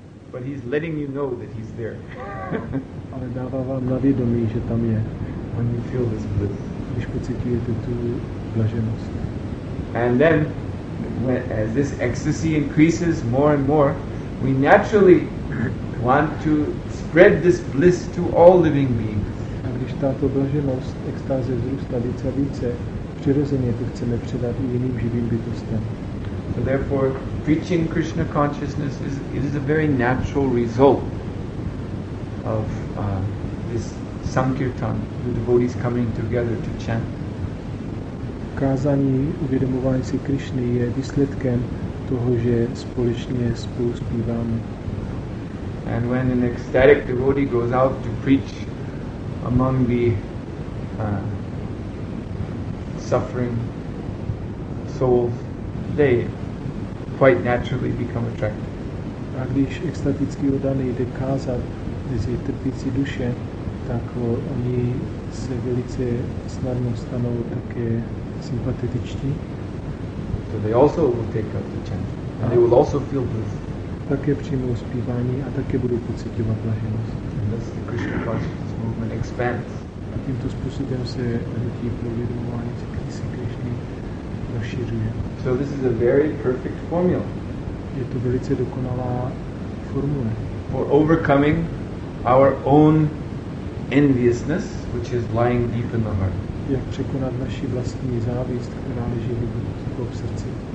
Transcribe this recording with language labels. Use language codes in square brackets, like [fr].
[en] But he's letting you know that he's there. [cs] Ale dává vám na vědomí, že tam je. [en] When you feel this bliss. [cs] Když pocitujete tu blaženost. [en] And then, as this ecstasy increases more and more, we naturally want to spread this bliss to all living beings. [cs] A když tato blaženost, extáze vzrůstá více a více, přirozeně to chceme předat i jiným živým bytostem. [en] So therefore, preaching Krishna consciousness is a very natural result of this sankirtan, the devotees coming together to chant. [cs] Kázání uvědomování si Krishny je výsledkem toho, že společně spolu zpíváme. [en] And when an ecstatic devotee goes out to preach among the suffering souls, they quite naturally become attracted. [cs] A když extatický oddaný jde kázat mezi trpící duše, tak oni se velice snadno stanou také sympatetiční. [en] So they also will take up the chant. And they will also feel bliss. [cs] Také přijmou zpívání a také budou pocitovat blaženost. [en] And thus the Krishna consciousness movement expands. [cs] A tímto způsobem se hnutí provědomování se krysy Krishny rozšiřuje. [en] So this is a very perfect formula. [cs] Je to velice dokonalá formule. [en] For overcoming our own enviousness, which is lying deep in the heart. [cs] Jak překonat naši vlastní závist, která leží hluboko v srdci.